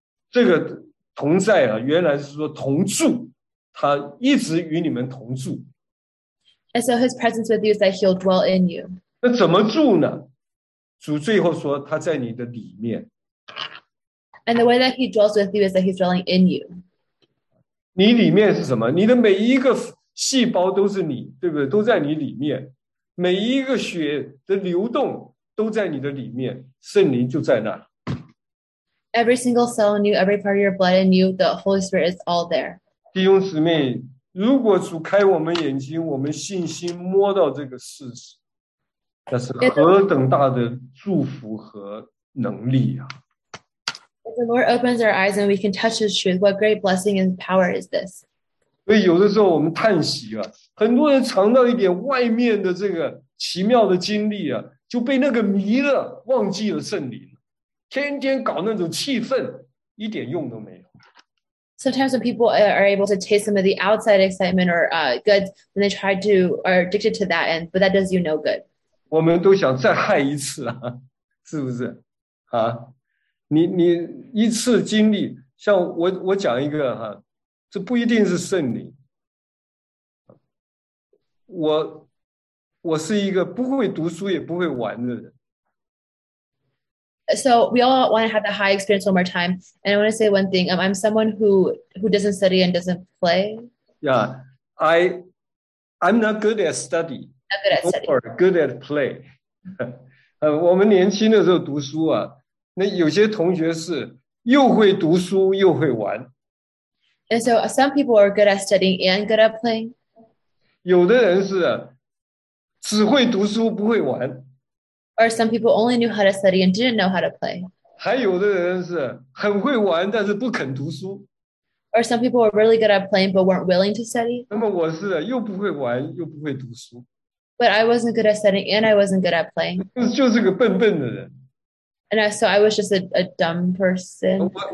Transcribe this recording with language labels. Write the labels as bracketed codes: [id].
[zh] 这个同在啊，原来是说同住，他一直与你们同住。 [en] And so his presence with you is that he'll dwell in you. [zh] 那怎么住呢？主最后说他在你的里面。 [en] And the way that he dwells with you is that he's dwelling in you. [zh] 你里面是什么？你的每一个细胞都是你，对不对？都在你里面，每一个血的流动都在你的里面，圣灵就在那。 [en] Every single cell in you, every part of your blood in you, the Holy Spirit is all there. [zh] 弟兄姊妹，如果主开我们眼睛，我们信心摸到这个事实，那是何等大的祝福和能力啊！ [en] If the Lord opens our eyes and we can touch His truth, what great blessing and power is this? [zh] 所以有的时候我们叹息啊，很多人尝到一点外面的这个奇妙的经历啊，就被那个迷了，忘记了圣灵。天天搞那种气氛，一点用都没有。 [en] Sometimes when people are able to taste some of the outside excitement or good, then they try to are addicted to that, but that does you no good. [zh] 我们都想再嗨一次啊，是不是？你一次经历，像我讲一个哈，这不一定是圣灵。我是一个不会读书也不会玩的人。 [en] So we all want to have that high experience one more time. And I want to say one thing. I'm someone who doesn't study and doesn't play. Yeah, I'm not good at study. Not good at study. Or good at play. [zh] 我们年轻的时候读书啊，那有些同学是又会读书又会玩。 [en] And so some people are good at studying and good at playing. [zh] 有的人是只会读书不会玩。 [en] Or some people only knew how to study and didn't know how to play. [zh] 还有的人是很会玩，但是不肯读书。 [en] Or some people were really good at playing but weren't willing to study. [zh] 那么我是又不会玩，又不会读书。 [en] But I wasn't good at studying and I wasn't good at playing. [zh] 就是个笨笨的人。 [en] And so I was just a dumb person.